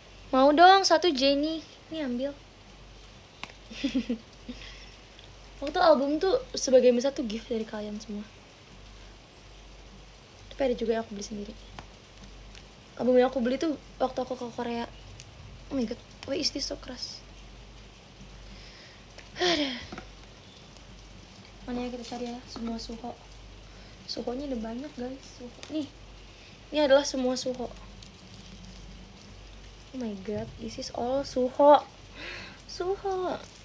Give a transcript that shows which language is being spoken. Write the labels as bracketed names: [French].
[Indonesian] Mau dong satu Jenny. Ini ambil. Waktu album tuh sebagai misal tuh gift dari kalian semua. Tapi ada juga yang aku beli sendiri. Album yang aku beli tuh waktu aku ke Korea. [English] Oh my god, why is this so keras? [Indonesian] Aduh. Mana yang kita cari ya, semua Suho. Suhonya udah banyak guys, Suho. Nih, ini adalah semua Suho. [English] Oh my god, this is all Suho. [Indonesian] Suho.